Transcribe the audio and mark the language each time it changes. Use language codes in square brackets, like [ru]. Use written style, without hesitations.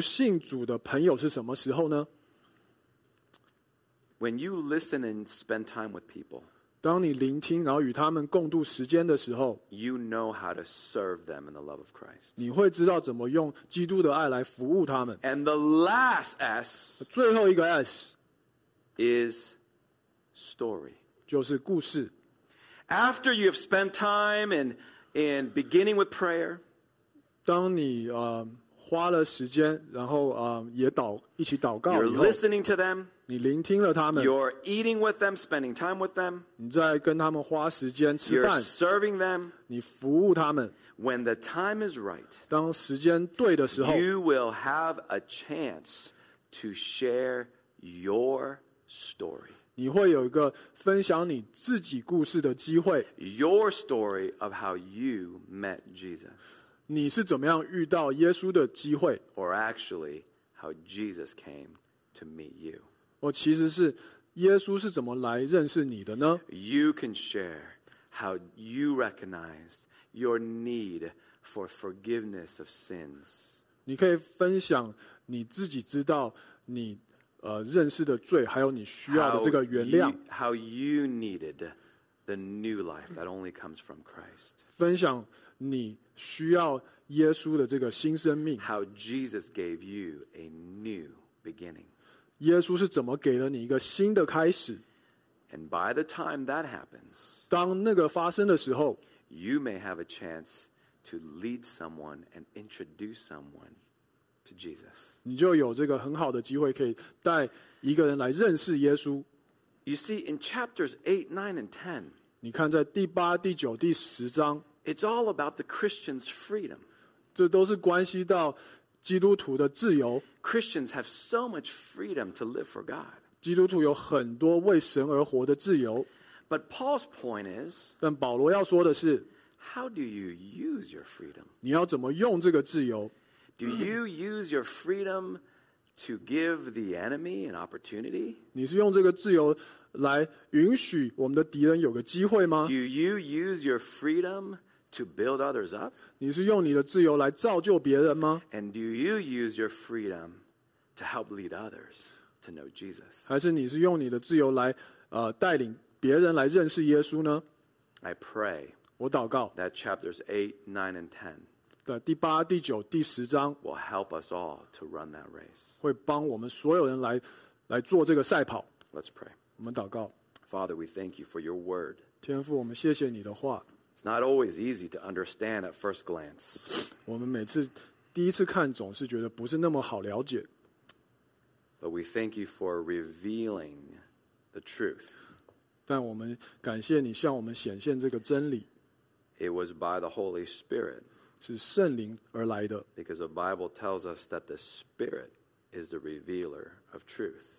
[zh] 但你最后一次服务一个不信主的朋友是什么时候呢? [en] When you listen and spend time with people, [zh] 当你聆听然后与他们共度时间的时候, [en] you know how to serve them in the love of Christ. [zh] 你会知道怎么用基督的爱来服务他们。 [en] And the last S, [zh] 最后一个S, [en] is story. [zh] 就是故事。 [en] After you have spent time in beginning with prayer, [zh] 当你, 花了时间, 然后, 也祷, 一起祷告以后, [en] you're listening to them. [zh] 你聆听了他们, [en] you're eating with them, spending time with them. [zh] 你在跟他们花时间吃饭, [en] you're serving them. [zh] 你服务他们, [en] when the time is right, [zh] 当时间对的时候, [en] you will have a chance to share your story. [zh] 你会有一个分享你自己故事的机会, [en] your story of how you met Jesus. [zh] 你是怎么样遇到耶稣的机会? [en] Or actually, how Jesus came to meet you. [zh] 其实是耶稣是怎么来认识你的呢? [en] You can share how you recognize your need for forgiveness of sins. [zh] 你可以分享你自己知道你, 认识的罪, 还有你需要的这个原谅。 [en] How you needed the new life that only comes from Christ. [zh] 分享你需要 耶稣的这个新生命, [en] how Jesus gave you a new beginning. [zh] 耶稣是怎么给了你一个新的开始? [en] And by the time that happens, [zh] 当那个发生的时候, [en] you may have a chance to lead someone and introduce someone to Jesus. [zh] 你就有这个很好的机会可以带一个人来认识耶稣。 [en] You see, in chapters 8, 9, and 10, [zh] 你看在第八, 第九, 第十章, [en] it's all about the Christian's freedom. [zh] 这都是关系到基督徒的自由。 [en] Christians have so much freedom to live for God. [zh] 基督徒有很多为神而活的自由。 [en] But Paul's point is, [zh] 但保罗要说的是, [en] How do you use your freedom? [zh] 你要怎么用这个自由? [en] Do you use your freedom to give the enemy an opportunity? [zh] 你是用这个自由来允许我们的敌人有个机会吗? [en] Do you use your freedom to build others up? [zh] 你是用你的自由来造就别人吗? [en] And do you use your freedom to help lead others to know Jesus? [zh] 还是你是用你的自由来带领别人来认识耶稣呢? [en] I pray [zh] 我祷告, [en] that chapters 8, 9, and 10 [zh] 第八、第九、第十章 [en] will help us all to run that race. [zh] 会帮我们所有人来做这个赛跑。 [en] Let's pray. [zh] 我们祷告。 [en] Father, we thank you for your word. [zh] 天父，我们谢谢你的话。 [en] It's not always easy to understand at first glance. [zh] 我们每次第一次看总是觉得不是那么好了解。 [en] But we thank you for revealing the truth. [zh] 但我们感谢你向我们显现这个真理。 [en] It was by the Holy Spirit. [zh] 是圣灵而来的。 [en] Because the Bible tells us that the Spirit is the revealer of truth.